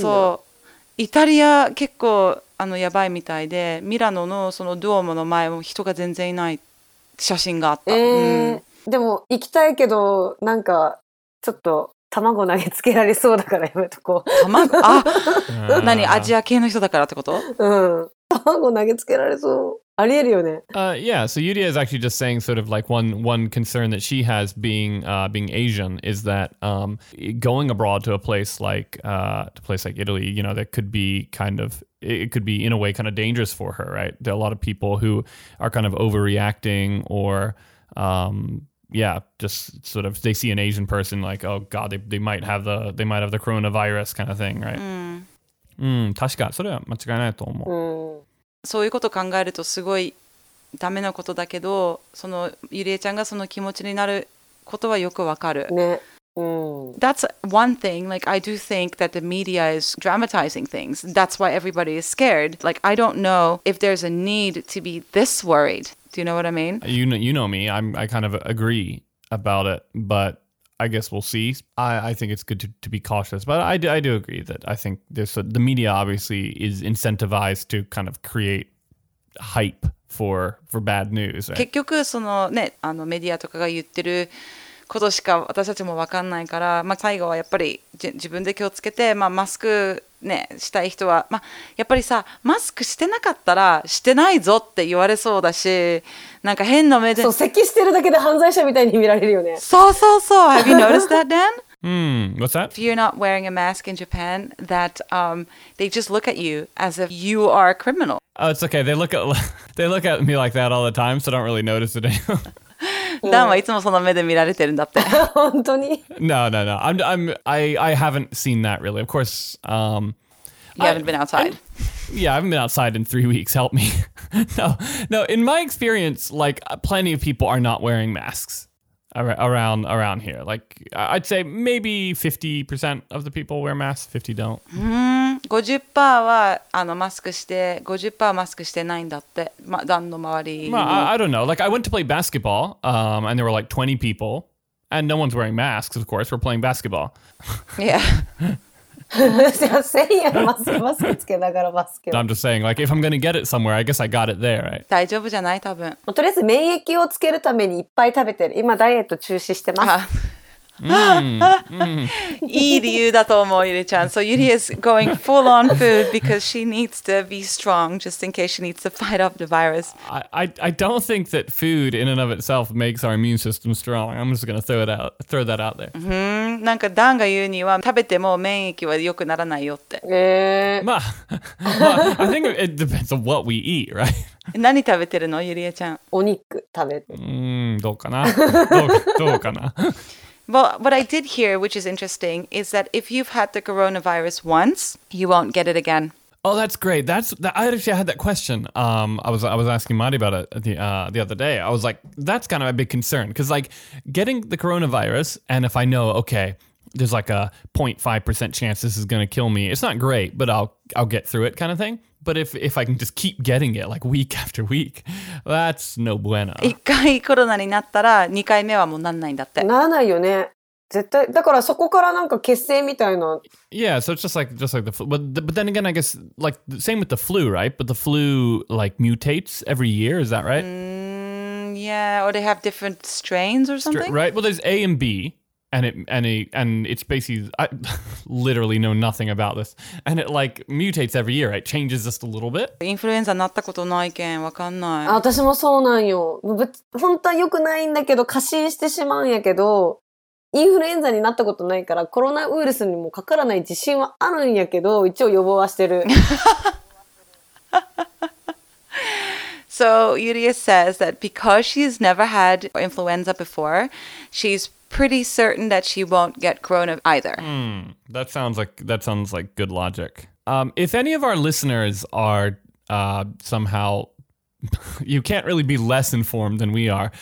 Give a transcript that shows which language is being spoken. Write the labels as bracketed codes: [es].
[ja] そう、イタリア結構やばいみたいで、ミラノのそのドゥオモの前も人が全然いない写真があった。でも行きたいけど、なんかちょっと卵投げつけられそうだからやめとこう。卵、あ、何、アジア系の人だからってこと？うん。卵投げつけられそう。ありえるよね。 [en] Yeah. So Yurie is actually just saying sort of like one concern that she has being Asian is that going abroad to a place like Italy, you know, that could be kind of it could be in a way kind of dangerous for her, right? There are a lot of people who are kind of overreacting or Yeah, just sort of, they see an Asian person like, oh God, they might have the coronavirus kind of thing, right? [ja] うん、確か、それは間違いないと思う。うん、そういうこと考えるとすごいダメなことだけど、そのゆりえちゃんがその気持ちになることはよくわかる。ね。うん。 [en] That's one thing. Like, I do think that the media is dramatizing things. That's why everybody is scared. Like, I don't know if there's a need to be this worried. Do you know what I mean? You know me. I kind of agree about it, but I guess we'll see. I think it's good to be cautious, but I do agree that I think the media obviously is incentivized to kind of create hype for bad news. Right? [ja] 結局そのね、メディアとかが言ってることしか私たちも分かんないから、まあ、最後はやっぱり自分で気をつけて、まあ、マスク、ね、したい人は、まあ、やっぱりさ、マスクしてなかったらしてないぞって言われそうだし、なんか変な目で、そう、咳してるだけで犯罪者みたいに見られるよね。そうそうそう。 [en] Have you noticed that, Dan? What's that? If you're not wearing a mask in Japan, that they just look at you as if you are a criminal. Oh, it's okay. They look at me like that all the time, so I don't really notice it anymore. [ja] Dan はいつもその目で見られてるんだって。本当に？ [en] No. I haven't seen that really. Of course, You haven't been outside. I haven't been outside in 3 weeks. Help me. No. In my experience, like, plenty of people are not wearing masks around here. Like, I'd say maybe 50% of the people wear masks, 50 don't. [ja] 50% はマスクして、50% はマスクしてないんだって、団の周り。 [en] まあ、I don't know. Like, I went to play basketball, and there were like 20 people, and no one's wearing masks, of course. We're playing basketball. Yeah. I'm just saying, like, if I'm gonna get it somewhere, I guess I got it there, right? [ja] 大丈夫じゃない、多分。とりあえず免疫をつけるためにいっぱい食べてる。今ダイエット中止してます。いい理由だと思う、ゆりちゃん. [en] So Yurie is going full on food because she needs to be strong just in case she needs to fight off the virus. I don't think that food in and of itself makes our immune system strong. I'm just going to throw that out there. [ja] なんかダンが言うには食べても免疫は良くならないよって. [en] まあ、I think it depends on what we eat, right? [ja] 何食べてるの、ゆりえちゃん。お肉食べてる。どうかな。どうかな。 [en] Well, what I did hear, which is interesting, is that if you've had the coronavirus once, you won't get it again. Oh, that's great. I actually had that question. I was asking Mari about it the other day. I was like, that's kind of a big concern. Because like getting the coronavirus, and if I know, okay, there's like a 0.5% chance this is going to kill me, it's not great, but I'll get through it kind of thing. But if I can just keep getting it like week after week, that's [es] no bueno. [ja] 一回コロナになったら二回目はもうなんないんだって。ならないよね。絶対だからそこからなんか血清みたいな。 [en] Yeah, so it's just like the flu. But then again, I guess like the same with the flu, right? But the flu like mutates every year. Is that right? Yeah, or they have different strains or something. Right. Well, there's A and B. And it's basically, I literally know nothing about this. And it like mutates every year, it changes just a little bit. [ja] インフルエンザなったことないけん、わかんない。あ、私もそうなんよ。本当は良くないんだけど、過信してしまうんやけど、インフルエンザになったことないから、コロナウイルスにもかからない自信はあるんやけど、一応予防はしてる。 [en] So, Yurie says that because she's never had influenza before, she'sPretty certain that she won't get corona either. That sounds like good logic. If any of our listeners are somehow, you can't really be less informed than we are.